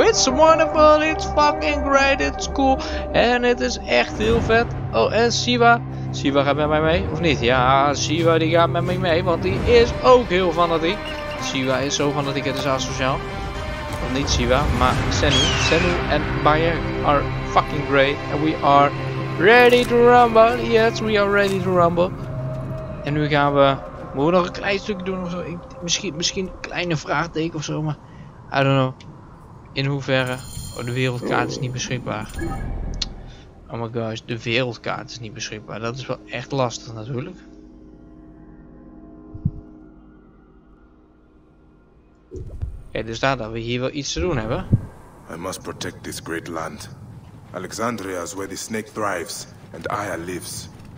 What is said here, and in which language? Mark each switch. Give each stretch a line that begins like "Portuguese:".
English: It's wonderful, it's fucking great, it's cool.
Dutch: En het is echt heel vet. Oh, en Siwa. Siwa gaat met mij mee, of niet? Ja, Siwa die gaat met mij mee, want die is ook heel fanatiek. Siwa is zo fanatiek, het is asociaal. Of niet Siwa, maar Senu. Senu en Bayer are...
English: fucking great, and we are ready to rumble. Yes, we are ready to rumble.
Dutch: En nu gaan we. Moeten we nog een klein stukje doen of zo? Misschien een kleine vraagteken of zo, maar.
English: I don't know.
Dutch: In hoeverre. Oh, de wereldkaart is niet beschikbaar.
English: Oh my gosh,
Dutch: de wereldkaart is niet beschikbaar. Dat is wel echt lastig, natuurlijk. Oké, dus daar dat we hier wel iets te doen hebben.
English: I must protect this great land. Alexandria is where the snake thrives, and Aya lives.